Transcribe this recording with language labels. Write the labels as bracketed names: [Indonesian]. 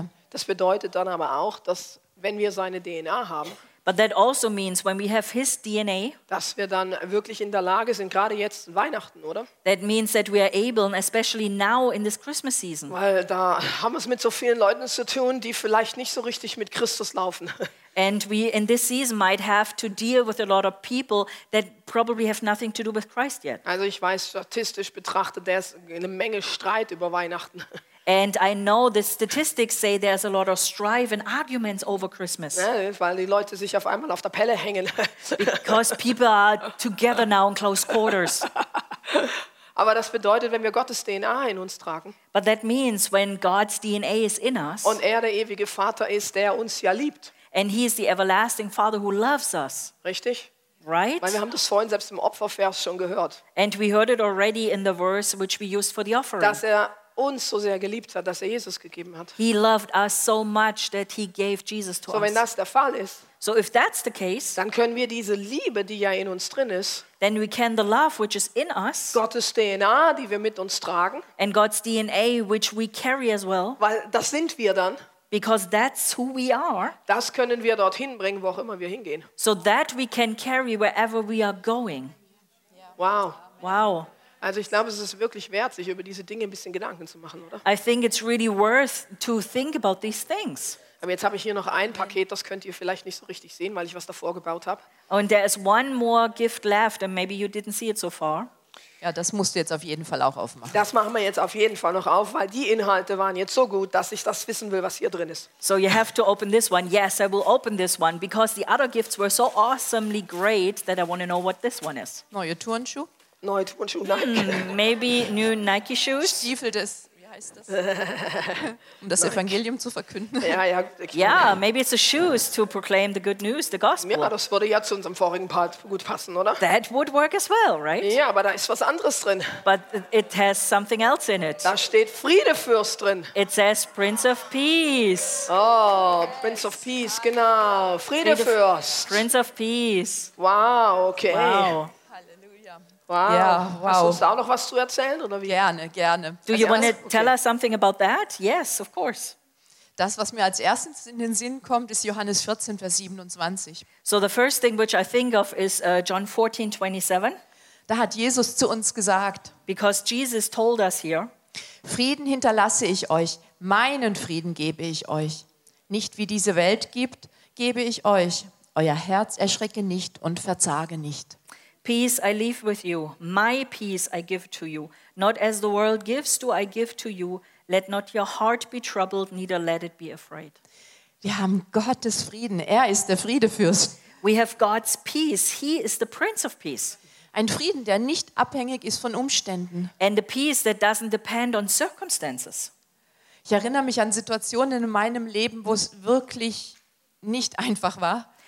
[German] Das bedeutet dann aber auch, dass wenn wir seine DNA haben, [English] But that also means when we have his DNA, [German] dass wir dann wirklich in der Lage sind, gerade jetzt Weihnachten, oder? [English] That means that we are able, especially now in this Christmas season. [German] Weil da haben wir es mit so vielen Leuten zu tun, die vielleicht nicht so richtig mit Christus laufen. [English] And we in this season might have to deal with a lot of people that probably have nothing to do with Christ yet. [German] Also ich weiß, statistisch betrachtet, da ist eine Menge Streit über Weihnachten. [English] And I know the statistics say there's a lot of strife and arguments over Christmas. [German] Ja, weil die Leute sich auf einmal auf der Pelle hängen. [English] Because people are together now in close quarters. [German] Aber das bedeutet, wenn wir Gottes DNA in uns tragen. [English] But that means when God's DNA is in us. [German] Und er der ewige Vater ist, der uns ja liebt. [English] And he is the everlasting Father who loves us. [German] Richtig? [English] Right? [German] Weil wir haben das vorhin selbst im Opfervers schon gehört. [English] And we heard it already in the verse which we used for the offering. [German] Dass er uns so sehr geliebt hat, dass er Jesus gegeben hat. [English] He loved us so much that he gave Jesus to us. [German] So wenn das der Fall ist, [English] so if that's the case, [German] dann können wir diese Liebe, die ja in uns drin ist, [English] then we can the love which is in us, [German] Gottes DNA, die wir mit uns tragen, [English] and God's DNA which we carry as well, [German] weil das sind wir dann, [English] because that's who we are, [German] das können wir dorthin bringen, wo auch immer wir hingehen. [English] So that we can carry wherever we are going. [German] Wow. [English] Wow. [German] Also ich glaube, es ist wirklich wert, sich über diese Dinge ein bisschen Gedanken zu machen, oder? [English] I think it's really worth to think about these things. [German] Aber jetzt habe ich hier noch ein Paket, das könnt ihr vielleicht nicht so richtig sehen, weil ich was davor gebaut habe. [English] And there is one more gift left and maybe you didn't see it so far. [German] Ja, das musst du jetzt auf jeden Fall auch aufmachen. Das machen wir jetzt auf jeden Fall noch auf, weil die Inhalte waren jetzt so gut, dass ich das wissen will, was hier drin ist. [English] So you have to open this one. Yes, I will open this one because the other gifts were so awesomely great that I want to know what this one is. [German] Neue Turnschuhe. Neue Turnschuhe, Nike. [English] Maybe new Nike shoes. [German] Stiefel des, wie heißt das? Um das Evangelium zu verkünden. Ja, ja. [English] Yeah, maybe it's the shoes to proclaim the good news, the gospel. [German] Ja, das würde ja zu unserem vorigen Part gut passen, oder? [English] That would work as well, right? [German] Ja, aber da ist was anderes drin. [English] But it has something else in it. [German] Da steht Friedefürst drin. [English] It says Prince of Peace. [German] Oh, Prince of Peace, genau. Friedefürst. [English] Prince of Peace. [German] Wow, okay. [English] Wow. [German] Wow. Ja, wow. Hast du uns da auch noch was zu erzählen oder wie? Gerne, gerne. [English] Do you want to tell us something about that? Yes, of course. [German] Das, was mir als erstes in den Sinn kommt, ist Johannes 14, Vers 27. [English] So the first thing which I think of is John 14, 27. [German] Da hat Jesus zu uns gesagt. [English] Because Jesus told us here. [German] Frieden hinterlasse ich euch, meinen Frieden gebe ich euch. Nicht wie diese Welt gibt, gebe ich euch. Euer Herz erschrecke nicht und verzage nicht. [English] Peace I leave with you, my peace I give to you. Not as the world gives, do I give to you. Let not your heart be troubled, neither let it be afraid. [German] Wir haben Gottes Frieden, er ist der Friedefürst. [English] We have God's peace, he is the Prince of Peace. [German] Ein Frieden, der nicht abhängig ist von Umständen. [English] And a peace that doesn't depend on circumstances. [German] Ich erinnere mich an Situationen in meinem Leben, wo es wirklich nicht einfach war.